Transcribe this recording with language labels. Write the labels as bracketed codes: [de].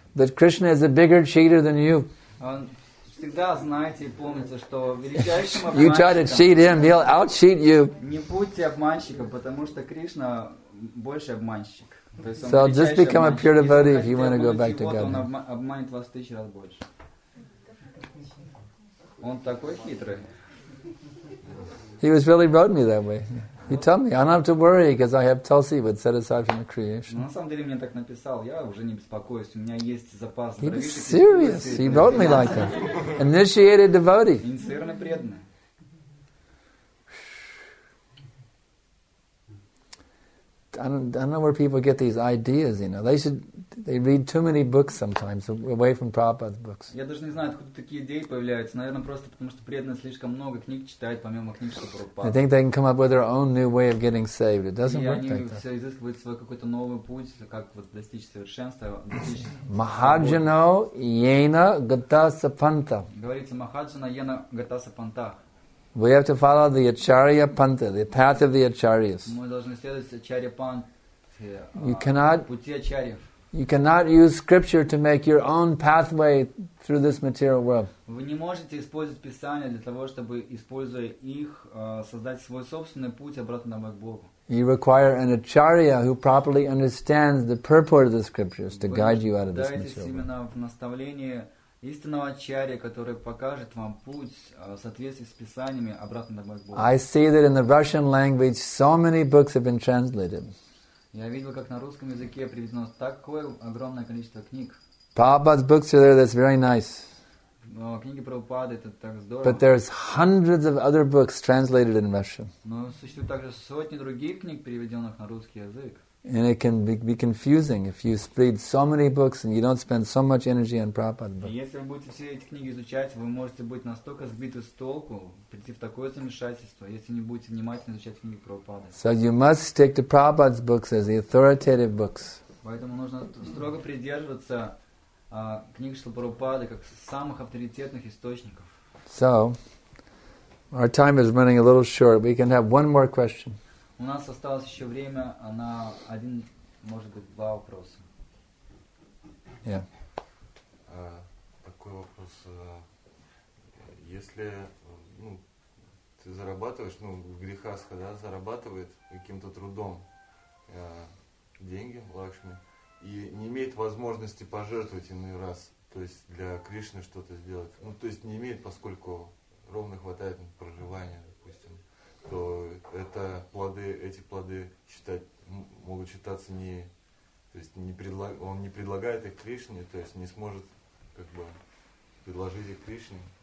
[en] That Krishna is a bigger cheater than you. [ru] Всегда знайте и помните, что величайшим обманщиком. [en] You try to cheat him, he'll outcheat you. [ru] Не будьте обманщиком, потому что Кришна больше обманщик. [en] So just become a pure devotee if you want to go back to God. [ru] Он обманет вас тысячу раз больше. Он такой хитрый. [en] He was really wrote me that way. He told me, I don't have to worry because I have tulsi wood set aside from the creation. [ru] На самом деле мне так написал. Я уже не беспокоюсь. У меня есть запас. [en] He was serious. He wrote me like that. Initiated devotee. [ru] Инициированный преданный. [en] I don't know where people get these ideas. You know, they should. they read too many books sometimes away from Prabhupada's books. [ru] Я даже не знаю, откуда такие идеи появляются. Наверное, просто потому что преданные слишком много книг читают помимо книг Прабхупады. [en] I think they can come up with their own new way of getting saved. It doesn't work like that. [ru] И они изыскивают свой какой-то новый путь, как вот достичь совершенства. [sa] Махаджано Йена Гатаса Панта. [ru] Говорится [sa] Махаджана Йена Гатаса Панта. [en] We have to follow the Acharya Panta, the path of the Acharyas. [ru] Мы должны следовать Ачарья Пант. [en] You cannot use scripture to make your own pathway through this material world. [ru] Вы не можете использовать Писание для того, чтобы, используя их, создать свой собственный путь обратно к Богу. [en] You require an acharya who properly understands the purport of the scriptures to guide you out of this material world. [ru] Вы нуждаетесь именно в наставлении истинного ачарья, который покажет вам путь в соответствии с Писаниями обратно к Богу. [en] I see that in the Russian language so many books have been translated. [ru] Я видел, как на русском языке приведено такое огромное количество книг. [en] Prabhupada's books are there, that's very nice. [ru] Но книги Прабхупады, это так здорово. [en] But there's hundreds of other books translated in Russian. [ru] Но существует также сотни других книг, переведенных на русский язык. [en] And it can be confusing if you read so many books and you don't spend so much energy on Prabhupada's books. [ru] Если вы будете все эти книги изучать, вы можете быть настолько сбиты с толку, прийти в такое замешательство, если не будете внимательно изучать книги Прабхупады. [en] So you must stick to Prabhupada's books as the authoritative books. [ru] Поэтому нужно строго придерживаться книг Шрилы Прабхупады как самых авторитетных источников. [en] So, our time is running a little short. We can have one more question. [ru] У нас осталось еще время на один, может быть, два вопроса. Такой вопрос. Если ты зарабатываешь, грехасха, да, зарабатывает каким-то трудом деньги, лакшми, и не имеет возможности пожертвовать иной раз, то есть для Кришны что-то сделать, то есть не имеет, поскольку ровно хватает на проживание, допустим, то эти плоды могут считаться не, то есть он не предлагает их Кришне, то есть не сможет как бы предложить их Кришне.